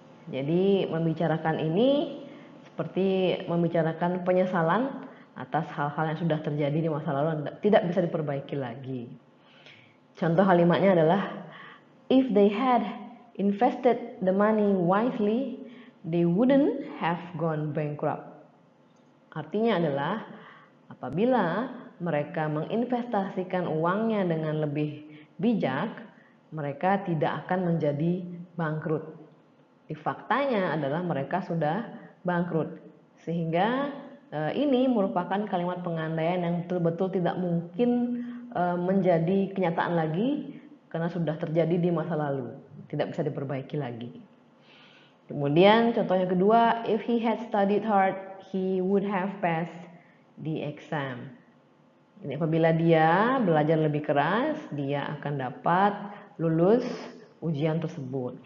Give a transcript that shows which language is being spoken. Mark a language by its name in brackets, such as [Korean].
[Indonesian] Jadi membicarakan ini seperti membicarakan penyesalan atas hal-hal yang sudah terjadi di masa lalu dan tidak bisa diperbaiki lagi. Contoh kalimatnya adalah [English] if they had invested the money wisely, they wouldn't have gone bankrupt. [Indonesian] Artinya adalah apabila mereka menginvestasikan uangnya dengan lebih bijak, mereka tidak akan menjadi bangkrut. Di faktanya adalah mereka sudah bangkrut. Sehingga ini merupakan kalimat pengandaian yang betul-betul tidak mungkin menjadi kenyataan lagi karena sudah terjadi di masa lalu. Tidak bisa diperbaiki lagi. Kemudian contohnya kedua, [English] if he had studied hard, he would have passed the exam. [Indonesian] Ini apabila dia belajar lebih keras, dia akan dapat lulus ujian tersebut.